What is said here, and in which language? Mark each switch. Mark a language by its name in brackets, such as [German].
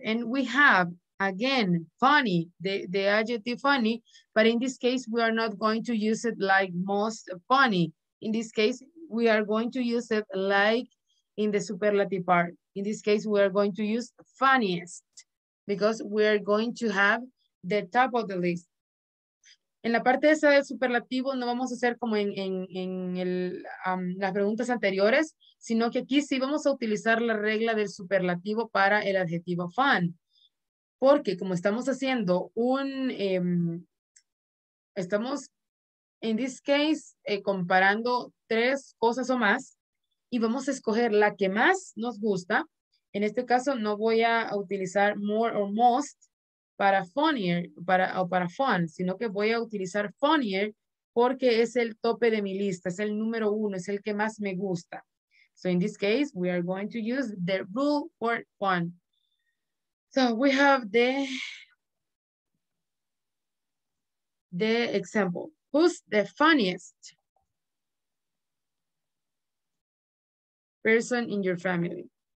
[English] And we have, again, funny, the adjective funny, but in this case, we are not going to use it like most funny. In this case, we are going to use it like in the superlative part. In this case, we are going to use funniest because we are going to have the top of the list. [Spanish] En la parte esa del superlativo no vamos a hacer como en las preguntas anteriores, sino que aquí sí vamos a utilizar la regla del superlativo para el adjetivo fun. Porque como estamos haciendo un, estamos en [English] this case [Spanish] comparando tres cosas o más y vamos a escoger la que más nos gusta. En este caso no voy a utilizar more or most para funnier para fun, sino que voy a utilizar funnier porque es el tope de mi lista, es el número uno, es el que más me gusta. [English] So in this case, we are going to use the rule for fun. So we have the example. Who's the funniest person in your family?